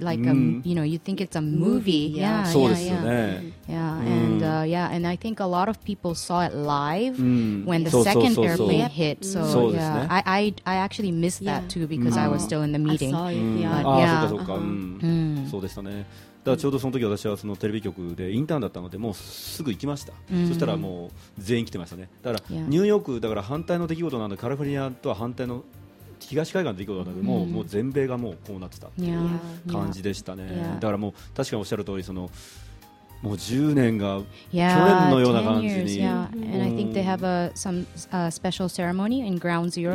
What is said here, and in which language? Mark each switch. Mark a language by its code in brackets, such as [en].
[en] Like, you know, you think it's a movie. [ja] そうですよね。 [en] And I think a lot of people saw it live when the second airplane hit. So, I actually missed that too because I was still in the meeting. [ja] そうでしたね。だからちょうどその時私はそのテレビ局でインターンだったのでもうすぐ行きました、そしたらもう全員来てましたね。だからニューヨークだから反対の出来事なんで、カリフォルニアとは反対の東海岸の出来事なんで、もう全米がもうこうなってたっていう感じでしたね。だからもう確かにおっしゃる通り、そのもう10年が去年のような感じに、 [en] and I think they have some special ceremony in Ground Zero